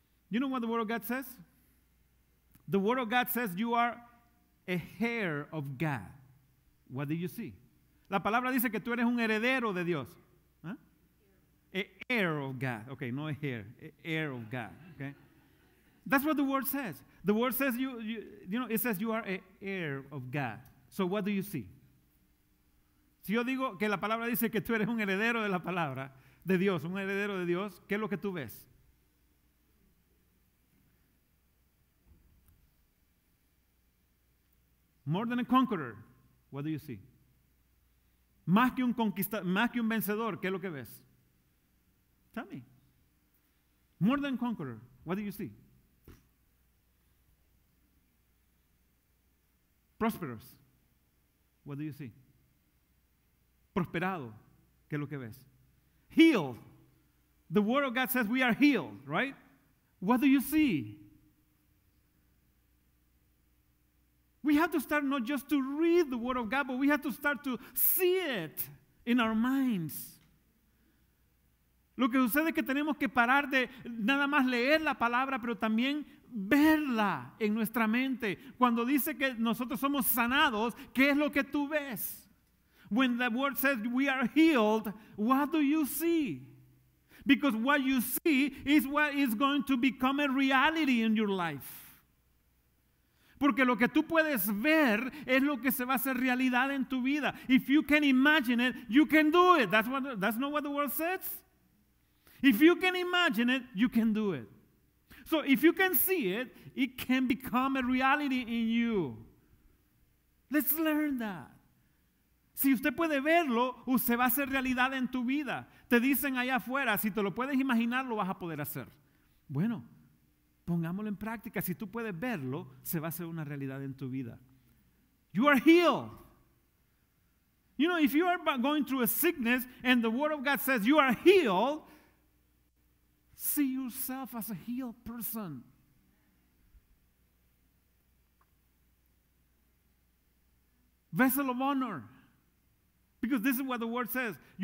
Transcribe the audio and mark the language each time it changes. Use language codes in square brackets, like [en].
[en] You know what the Word of God says? The Word of God says you are a heir of God. What do you see? [es] La palabra dice que tú eres un heredero de Dios. [en] Huh? A heir of God. Okay, no a heir. A heir of God. Okay. That's what the Word says. The Word says you know, it says you are an heir of God. So what do you see? [es] Si yo digo que la palabra dice que tú eres un heredero de la palabra, de Dios, un heredero de Dios, ¿qué es lo que tú ves? [en] More than a conqueror, what do you see? [es] Más que un conquistador, más que un vencedor, ¿qué es lo que ves? [en] Tell me. More than a conqueror, what do you see? Prosperous, what do you see? [es] Prosperado, ¿qué es lo que ves? [en] Healed, the Word of God says we are healed, right? What do you see? We have to start not just to read the Word of God, but we have to start to see it in our minds. [es] Lo que sucede es que tenemos que parar de nada más leer la palabra, pero también verla en nuestra mente. Cuando dice que nosotros somos sanados, ¿qué es lo que tú ves? [en] When the Word says we are healed, what do you see? Because what you see is what is going to become a reality in your life. [es] Porque lo que tú puedes ver es lo que se va a hacer realidad en tu vida. [en] If you can imagine it, you can do it. That's not what the Word says. If you can imagine it, you can do it. So if you can see it, it can become a reality in you. Let's learn that. [es] Si usted puede verlo, usted va a hacer realidad en tu vida. Te dicen allá afuera, si te lo puedes imaginar, lo vas a poder hacer. Bueno, pongámoslo en práctica. Si tú puedes verlo, se va a hacer una realidad en tu vida. [en] You are healed. You know, if you are going through a sickness and the word of God says you are healed, see yourself as a healed person. Vessel of honor. Because this is what the word says.